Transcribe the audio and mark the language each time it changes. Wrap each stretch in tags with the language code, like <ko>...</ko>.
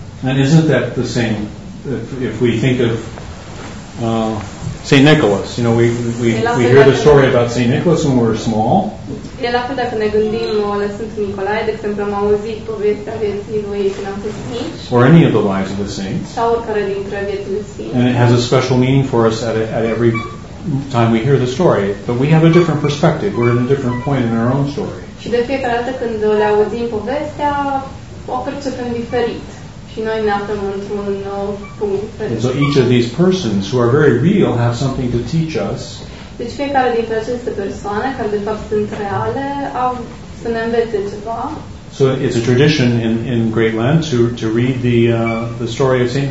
<en>And isn't that the same if we think of St. Nicholas? You know, we hear the story about St. Nicholas when we're small.</en> <ro>E la fel dacă ne gândim la Sfântul Nicolae, de exemplu, am auzit povestea vieții lui când am fost mici.</ro> <en>Or any of the lives of the saints.</en> <ro>Sau oricare dintre viețile sfinților.</ro> <en>And it has a special meaning for us at every time we hear the story. But we have a different perspective. We're at a different point in our own story.</en> <ro>Și de fiecare dată când le auzim povestea, o percepem diferit. Și noi ne aflăm într-un punct diferit.</ro> <en>And so each of these persons who are very real have something to teach us.</en> <ro>Deci fiecare dintre aceste persoane, care de fapt sunt reale, au să ne învețe ceva.</ro> <en>So it's a tradition in Great Lent to read the story of St.</en>